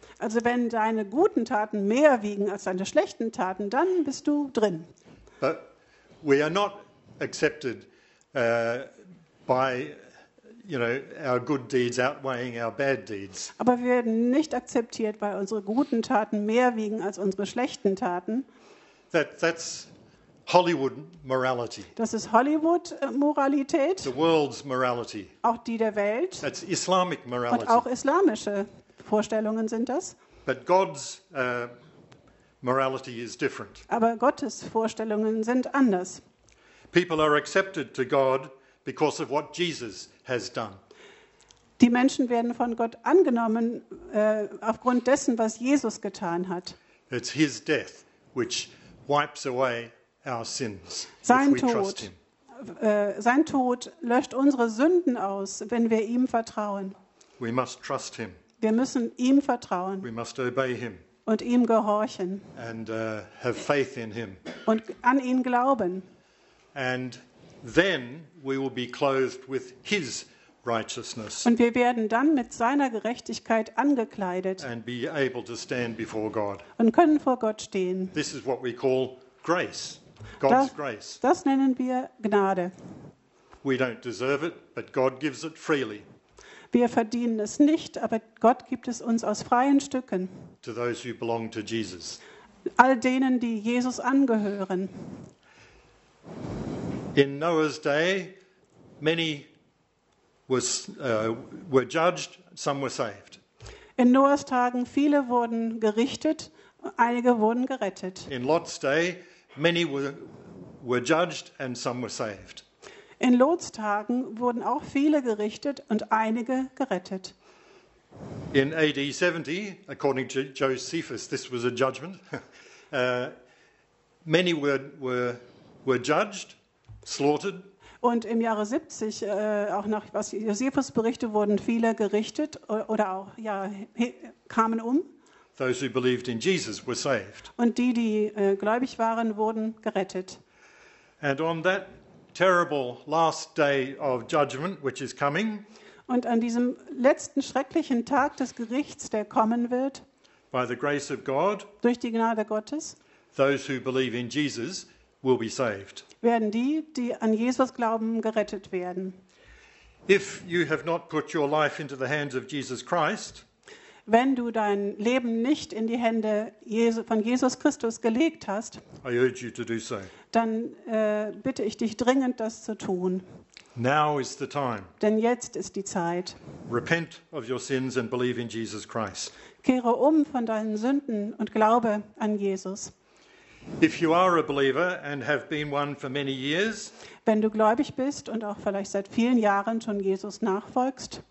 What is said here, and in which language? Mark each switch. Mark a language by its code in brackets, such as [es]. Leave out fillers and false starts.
[de] Also wenn deine guten Taten mehr wiegen als deine schlechten Taten, dann bist du drin. [en] But we are not accepted by, you know, our good deeds outweighing our bad deeds. [de] Aber wir werden nicht akzeptiert, weil unsere guten Taten mehr wiegen als unsere schlechten Taten. [en] That's Hollywood morality. [de] Das ist Hollywood Moralität. [en] The world's morality. [de] Auch die der Welt. [en] That's Islamic morality. [de] Und auch islamische Vorstellungen sind das. [en] But God's morality is different. [de] Aber Gottes Vorstellungen sind anders. [en] People are accepted to God because of what Jesus has done. [de] Die Menschen werden von Gott angenommen aufgrund dessen, was Jesus getan hat. [en] It's his death which wipes away our sins. [de] Sein Tod. Sein Tod löscht unsere Sünden aus, wenn wir ihm vertrauen. [en] We must trust him. [de] Wir müssen ihm vertrauen. [en] We must obey him. [de] Und ihm gehorchen. [en] And have faith in him. [de] Und an ihn glauben. [en] And then we will be clothed with his righteousness. [de] Und wir werden dann mit seiner Gerechtigkeit angekleidet. [en] And be able to stand before God. [de] Und können vor Gott stehen. [en] This is what we call grace. God's grace. [de] Das nennen wir Gnade. [en] We don't deserve it, but God gives it freely. [de] Wir verdienen es nicht, aber Gott gibt es uns aus freien Stücken. [en] To those who belong to Jesus. [de] All denen, die Jesus angehören. [en] In Noah's day, many were judged, some were saved. [de] In Noahs Tagen viele wurden gerichtet, einige wurden gerettet. [en] In Lot's day, many were judged and some were saved. [de] In Lots Tagen wurden auch viele gerichtet und einige gerettet. [en] In AD 70, according to Josephus, this was a judgment. Many were judged, slaughtered. [de] Und im Jahre 70, auch nach was Josephus berichtet, wurden viele gerichtet oder auch ja kamen um. [en] Those who believed in Jesus were saved. [de] Und die, die gläubig waren, wurden gerettet. [en] And on that terrible last day of judgment, which is coming. [de] Und an diesem letzten schrecklichen Tag des Gerichts, der kommen wird. [en] By the grace of God. [de] Durch die Gnade Gottes. [en] Those who believe in Jesus will be saved. [de] Werden die, die an Jesus glauben, gerettet werden. [en] If you have not put your life into the hands of Jesus Christ. [de] Wenn du dein Leben nicht in die Hände von Jesus Christus gelegt hast, [en] I urge you to do so. [de] Dann bitte ich dich dringend, das zu tun. [en] Now is the time. [de] Denn jetzt ist die Zeit. [en] Repent of your sins and believe in Jesus Christ. [de] Kehre um von deinen Sünden und glaube an Jesus. [en] If you are a believer and have been one for many years, [de] wenn du gläubig bist und auch vielleicht seit vielen Jahren schon Jesus nachfolgst,